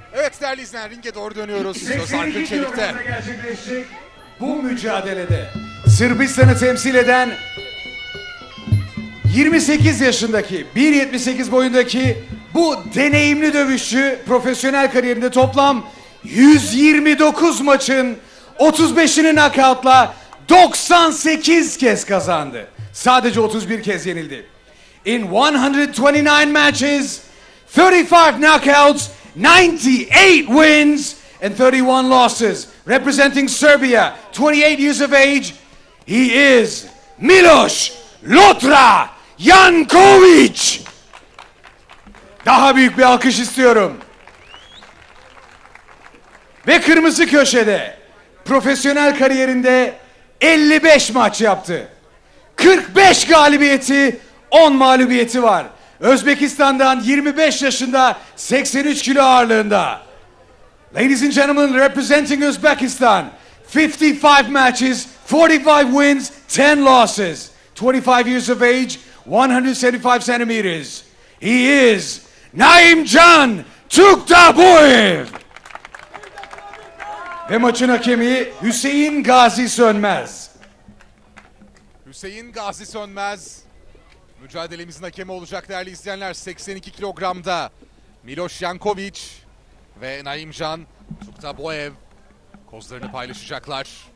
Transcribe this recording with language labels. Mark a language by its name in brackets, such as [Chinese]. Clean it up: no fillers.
[Turkish] Evet değerli izleyenler, ringe doğru dönüyoruz. Sarkın Çelik'te. Bu mücadelede Sırbistan'ı temsil eden 28 yaşındaki, 1.78 boyundaki bu deneyimli dövüşçü profesyonel kariyerinde toplam 129 maçın 35'ini nakavtla 98 kez kazandı. Sadece 31 kez yenildi. [English] In 129 matches, 35 knockouts, 98 wins and 31 losses. Representing Serbia, 28 years of age, he is Miloš Lotra Janković. [Turkish] Daha büyük bir alkış istiyorum. Ve kırmızı köşede profesyonel kariyerinde 55 maç yaptı. 45 galibiyeti, 10 mağlubiyeti var. Özbekistan'dan 25 yaşında, 83 kilo ağırlığında. [English] Ladies and gentlemen, representing Uzbekistan, 55 matches, 45 wins, 10 losses. 25 years of age, 175 centimeters. He is Naim Can Tuktabuyev. [Turkish] Ve maçın hakemi Hüseyin Gazi Sönmez. Hüseyin Gazi Sönmez. Mücadelemizin hakemi olacak değerli izleyenler. 82 kilogramda Miloš Janković ve Naim Can Tuktabuyev kozlarını paylaşacaklar.